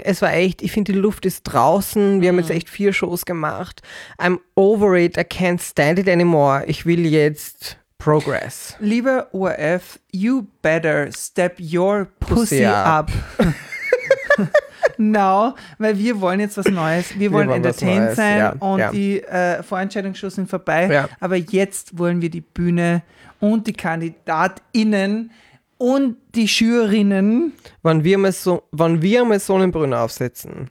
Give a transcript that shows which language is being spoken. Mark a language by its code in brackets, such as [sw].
[de] Es war echt, ich finde, die Luft ist draußen. Wir haben jetzt echt 4 Shows gemacht. [en] I'm over it. I can't stand it anymore. [de] Ich will jetzt progress. Lieber ORF, [en] you better step your pussy up. [de] Now, weil wir wollen jetzt was Neues. Wir wollen entertained Neues sein, ja, und ja, die Vorentscheidungsshows sind vorbei. Ja. Aber jetzt wollen wir die Bühne und die KandidatInnen und die JurInnen. Wenn wir mal so einen Brunnen aufsetzen.